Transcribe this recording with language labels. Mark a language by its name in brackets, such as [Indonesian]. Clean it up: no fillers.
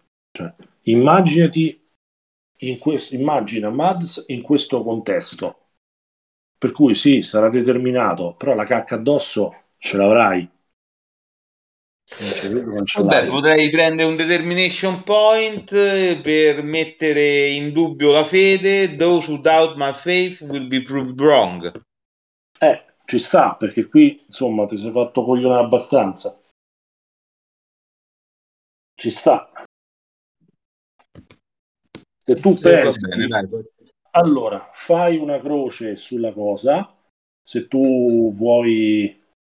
[Italian] Cioè, immagina Mads in questo contesto, per cui sì, sarà determinato, però la cacca addosso ce l'avrai. Vabbè, potrei prendere un determination point per mettere in dubbio la fede. [English] Those who doubt my faith will be proved wrong. [Italian] Ci sta, perché qui insomma ti sei fatto coglione abbastanza. Ci sta. Se tu pensi, va bene, dai. Allora fai una croce sulla cosa se tu vuoi.